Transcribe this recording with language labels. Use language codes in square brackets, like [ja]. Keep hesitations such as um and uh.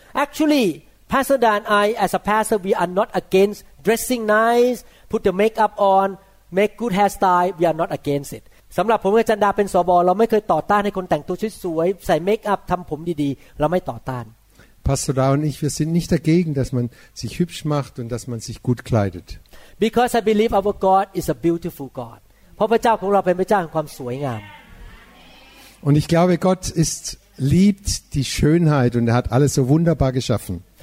[en] Actually, Pastor Dan, I, as a pastor, we are not against dressing nice, put the makeup on, make good hairstyle. We are not against it. [th] สำหรับผมกับจันดาเป็นสบเราไม่เคยต่อต้านให้คนแต่งตัวสวยใส่เมคอัพทำผมดีๆ เราไม่ต่อต้าน [de] Pastor Dan und ich wir sind nicht dagegen dass man sich hübsch macht und dass man sich gut kleidet [en] Because I believe our God is a beautiful God [th] เพราะพระเจ้าของเราเป็นพระเจ้าแห่งความสวยงาม [de] Und ich glaube, Gott ist, liebt die Schönheit und er hat alles so wunderbar geschaffen.